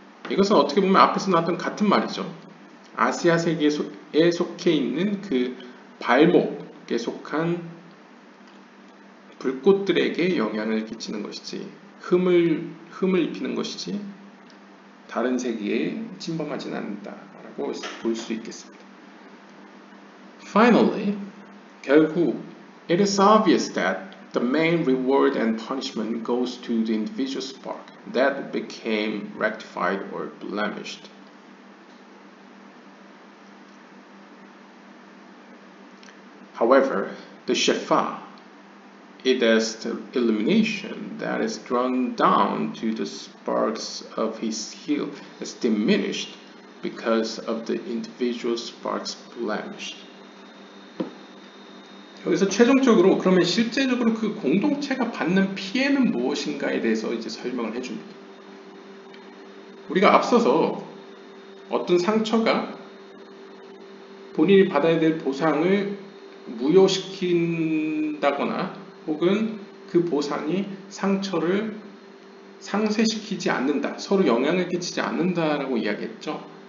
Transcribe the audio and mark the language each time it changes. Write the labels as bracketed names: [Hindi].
[Korean] 이것은 어떻게 보면 앞에서 나왔던 같은 말이죠. 아시아 세계에 속해 있는 그 발목에 속한 불꽃들에게 영향을 끼치는 것이지, 흠을 입히는 것이지, 다른 세계에 침범하지는 않는다라고 볼 수 있겠습니다. [English] Finally, [Korean] 결국, [English] it is obvious that the main reward and punishment goes to the individual spark that became rectified or blemished. However, the shefa, it is the illumination that is drawn down to the sparks of his heel is diminished because of the individual sparks blemished. [Korean] 여기서 최종적으로 그러면 실제적으로 그 공동체가 받는 피해는 무엇인가에 대해서 이제 설명을 해줍니다. 우리가 앞서서 어떤 상처가 본인이 받아야 될 보상을 무효시킨다거나 혹은 그 보상이 상처를 상쇄시키지 않는다, 서로 영향을 끼치지 않는다라고 이야기했죠.